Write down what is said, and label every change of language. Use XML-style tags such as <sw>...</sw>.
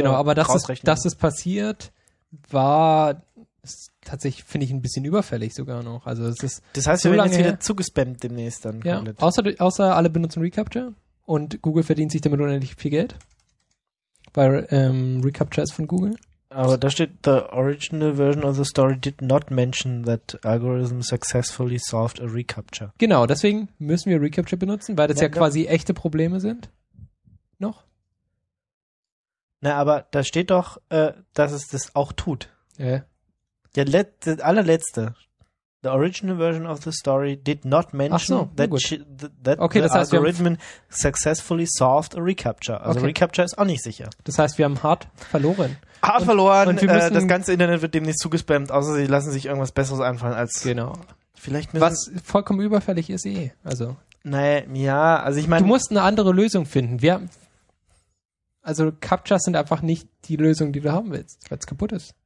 <de>genau, aber dass es passiert, ist tatsächlich, finde ich, ein bisschen überfällig sogar noch. Also es ist das heißt, so wir werden jetzt wieder zugespammt demnächst dann. Ja, außer alle benutzen Recapture und Google verdient sich damit unendlich viel Geld. Weil Recapture ist von Google. Aber da steht,</de> <en>the original version of the story did not mention that algorithm successfully solved a recapture.</en> <de>Genau, deswegen müssen wir Recapture benutzen, weil das quasi echte Probleme sind. Noch? Na, aber da steht doch, dass es das auch tut. Ja. Ja, das allerletzte.</de> <en>The original version of the story did not mention algorithm successfully solved a recapture.</en> <de>Also okay. Recapture ist auch nicht sicher. Das heißt, wir haben hart verloren. Und wir müssen, das ganze Internet wird demnächst zugespammt, außer sie lassen sich irgendwas Besseres einfallen als... Genau. Vielleicht was vollkommen überfällig ist eh. Also. Naja, ja, also ich meine... Du musst eine andere Lösung finden. Also Captchas sind einfach nicht die Lösung, die du haben willst, weil es kaputt ist.</de>